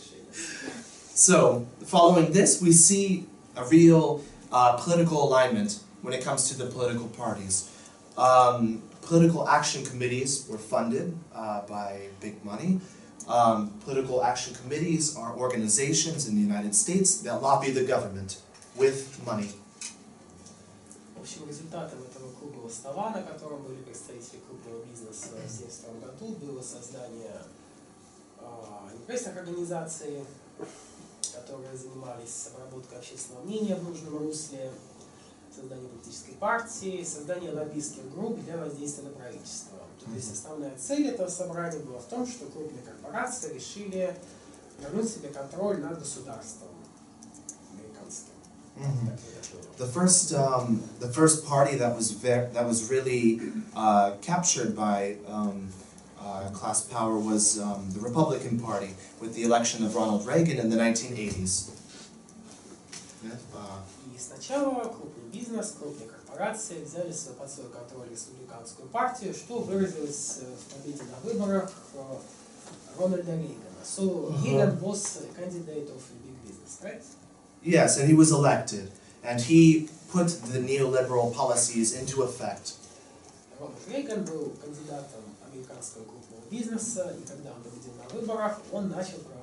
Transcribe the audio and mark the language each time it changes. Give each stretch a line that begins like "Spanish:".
English: So, following this, we see a real political alignment when it comes to the political parties. Political action committees were funded by big money. Political action committees are organizations in the United States that lobby the government with money.
Russian: В общем, результатом этого круглого стола, на котором были представители крупного бизнеса в 1972 году, было создание интересных организаций, которые занимались обработкой общественного мнения в нужном русле, создание политической партии, создание лоббистских групп для воздействия на правительство. То есть основная цель этого собрания была в том, что крупные корпорации решили вернуть себе контроль над государством американским. Mm-hmm.
English: The first party that was really captured by class power was the Republican Party with the election of Ronald Reagan in the 1980s.
Russian: Сначала крупный бизнес, крупные корпорации взяли под свой контроль республиканскую партию, что выразилось в победе на выборах Рональда Рейгана.
English: So, Reagan was a candidate of the big business, right? Yes, and he was elected. And he put the neoliberal policies into effect.
Russian: Рональд Рейган был кандидатом американского крупного бизнеса, и когда он победил на выборах, он начал